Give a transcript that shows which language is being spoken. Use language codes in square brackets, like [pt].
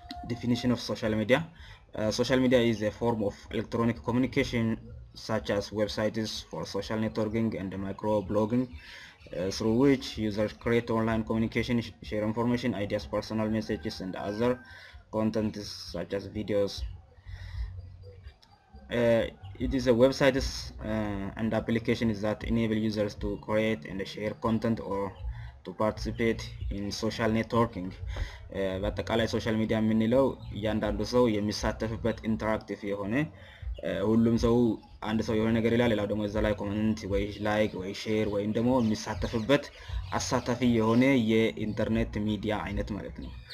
[en] ዲፊኒሽን ኦፍ ሶሻል ሚዲያ። ሶሻል ሚዲያ ኢዝ አ ፎርም ኦፍ ኤሌክትሮኒክ ኮሚኒኬሽን such as websites for social networking and microblogging, through which users create online communication, share information, ideas, personal messages and other content such as videos. It is a websites and applications that enable users to create and share content or to participate in social networking. [am] በአጠቃላይ ሶሻል ሚዲያ የምንለው እያንዳንዱ ሰው የሚሳተፍበት ኢንተራክቲቭ የሆነ ሁሉም ሰው አንድ ሰው የሆነ ነገር ይላል፣ ሌላው ደግሞ እዛ ላይ ኮመንት ወይ ላይክ ወይ ሼር ወይም ደግሞ የሚሳተፍበት አሳታፊ የሆነ የኢንተርኔት ሚዲያ አይነት ማለት ነው።